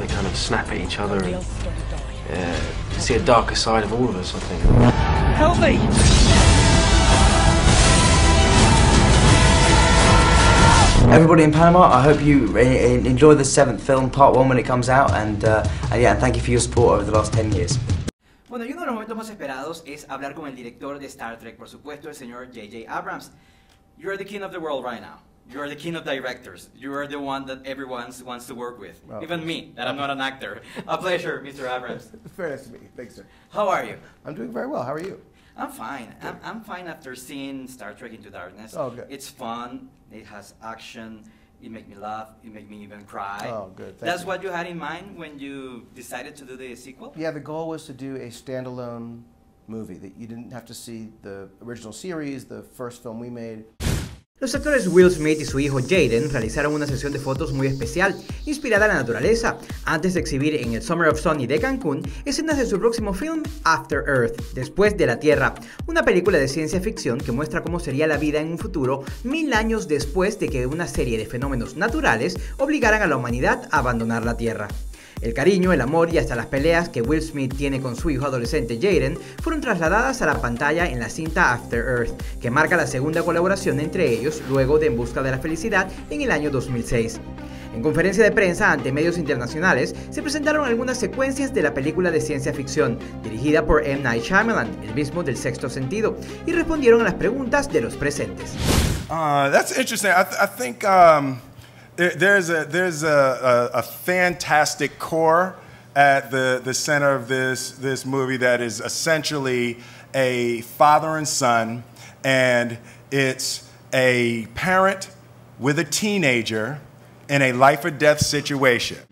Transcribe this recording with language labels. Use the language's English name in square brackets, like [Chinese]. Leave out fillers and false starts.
[English] They kind of snap at each other and see a darker side of all of us, I think. Help me! Everybody in Panama, I hope you enjoy the seventh film, part one, when it comes out, and yeah, thank you for your support over the last 10 years. [Spanish] Bueno, y uno de los momentos más esperados es hablar con el director de Star Trek, por supuesto, el señor J.J. Abrams. [English] You are the king of the world right now. You are the king of directors. You are the one that everyone wants to work with. Well, even me, that I'm not an actor. A pleasure, Mr. Abrams. Very nice to meet you. Thanks, sir. How are you? I'm doing very well. How are you? I'm fine. I'm fine after seeing Star Trek Into Darkness. Oh, good. It's fun. It has action. It makes me laugh. It makes me even cry. Oh, good. Thank That's you. What you had in mind when you decided to do the sequel? Yeah, the goal was to do a standalone movie that you didn't have to see the original series, the first film we made. [Spanish] Los actores Will Smith y su hijo Jaden realizaron una sesión de fotos muy especial, inspirada en la naturaleza, antes de exhibir en el Summer of Sunny de Cancún escenas de su próximo film After Earth, Después de la Tierra, una película de ciencia ficción que muestra cómo sería la vida en un futuro 1000 años después de que una serie de fenómenos naturales obligaran a la humanidad a abandonar la Tierra. El cariño, el amor y hasta las peleas que Will Smith tiene con su hijo adolescente Jaden fueron trasladadas a la pantalla en la cinta After Earth, que marca la segunda colaboración entre ellos luego de En Busca de la Felicidad en el año 2006. En conferencia de prensa ante medios internacionales se presentaron algunas secuencias de la película de ciencia ficción, dirigida por M. Night Shyamalan, el mismo del Sexto Sentido, y respondieron a las preguntas de los presentes. [English] That's interesting. I think... There's a fantastic core at the center of this movie that is essentially a father and son, and it's a parent with a teenager in a life or death situation.